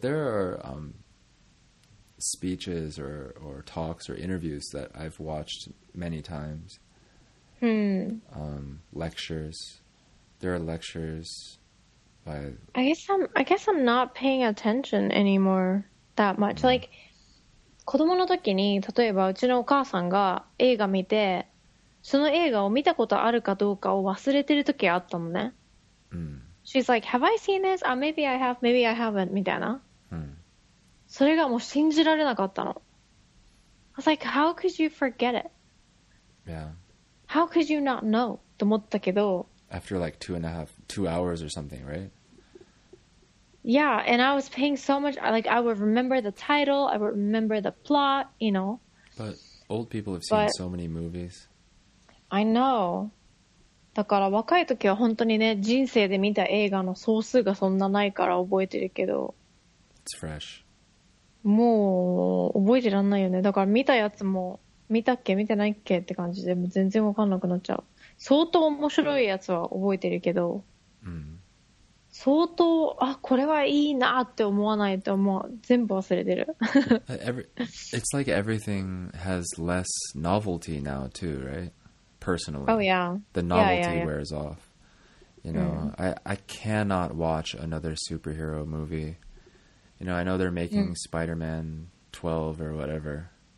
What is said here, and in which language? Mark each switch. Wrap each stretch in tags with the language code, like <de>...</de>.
<en>there are speeches or talks or interviews that I've watched many times. Lectures. There are lectures by. I guess I'm not paying attention anymore that much. Mm. Like.</en> <ja>子供の時に例えばうちのお母さんが映画見てその映画を見たことあるかどうかを忘れてる時があったのね.</ja> <en>She's like, have I seen this? Oh, maybe I have, maybe I haven't,</en> <ja>みたいな. それがもう信じられなかったの.</ja> <en>I was like, how could you forget it? Yeah. How could you not know?</en> <ja>と思ったけど</ja> <en>After like two hours or something, right? Yeah, and I was paying so much. Like, I would remember the title, I would remember the plot, you know. But old people have seen But so many movies. I know.</en> <ja>だから若い時は本当にね、人生で見た映画の総数がそんなないから覚えてるけど、</ja> <en>It's fresh.</en> <ja>もう覚えてらんないよね。だから見たやつも、見たっけ見てないっけって感じで、もう全然わかんなくなっちゃう。相当面白いやつは覚えてるけど、相当、あ、これはいいなって思わないと、もう全部忘れてる。</ja> <en>It's like everything has less novelty now too, right? Personally. Oh yeah. The novelty wears off. You know, I cannot watch another superhero movie. You know, I know they're making Spider-Man 12 or whatever.</en>